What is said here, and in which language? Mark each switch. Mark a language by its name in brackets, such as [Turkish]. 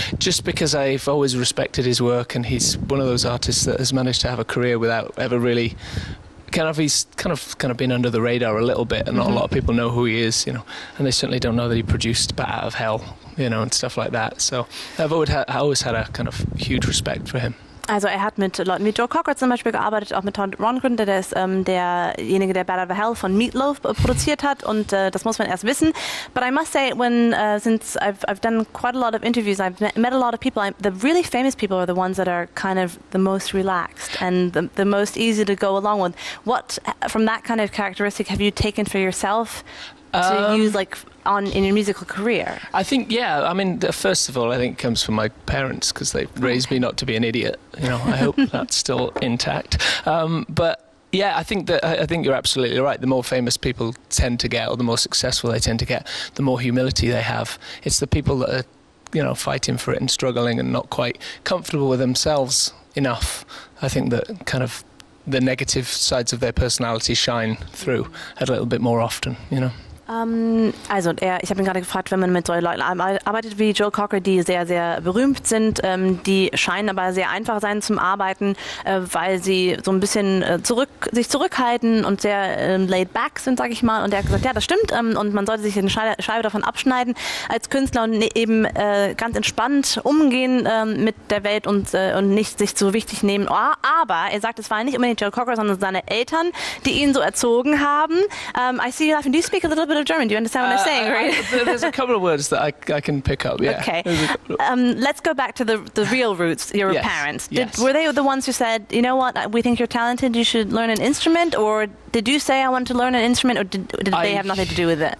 [English] Just because I've always respected his work, and he's one of those artists that has managed to have a career without ever really he's kind of been under the radar a little bit, and not a lot of people know who he is, you know, and they certainly don't know that he produced Bat Out of Hell, you know, and stuff like that. So I've always had a kind of huge respect for him. [German] Also er hat mit Leuten wie Joe Cocker zum Beispiel gearbeitet, auch mit Todd Rundgren, der ist derjenige, der Bat Out of Hell von Meatloaf produziert hat, und das muss man erst wissen. [English] But I must say, since I've done quite a lot of interviews, I've met a lot of people, the really famous people are the ones that are kind of the most relaxed and the most easy to go along with. What, from that kind of characteristic, have you taken for yourself to use, like, in your musical career? I think, yeah. I mean, first of all, I think it comes from my parents, because they raised me not to be an idiot. You know, I hope that's still intact. But yeah, I think you're absolutely right. The more famous people tend to get, or the more successful they tend to get, the more humility they have. It's the people that are, you know, fighting for it and struggling and not quite comfortable with themselves enough, I think, that kind of the negative sides of their personality shine through a little bit more often, you know. [German] Ich habe ihn gerade gefragt, wenn man mit so Leuten arbeitet wie Joe Cocker, die sehr, sehr berühmt sind, die scheinen aber sehr einfach sein zum Arbeiten, weil sie so ein bisschen sich zurückhalten und sehr [English] laid back [German] sind, sag ich mal. Und er hat gesagt, ja, das stimmt, und man sollte sich eine Scheibe davon abschneiden als Künstler und eben ganz entspannt umgehen mit der Welt und nicht sich zu wichtig nehmen. Aber er sagt, es war nicht unbedingt Joe Cocker, sondern seine Eltern, die ihn so erzogen haben. [English] I see you laughing. Do you speak a little bit of German? Do you understand what I'm saying? There's a couple of words that I can pick up. Yeah. Okay. Let's go back to the real roots. Your yes. parents. Did, yes. Were they the ones who said, you know what, we think you're talented, you should learn an instrument? Or did you say I want to learn an instrument? Or did they have nothing to do with it?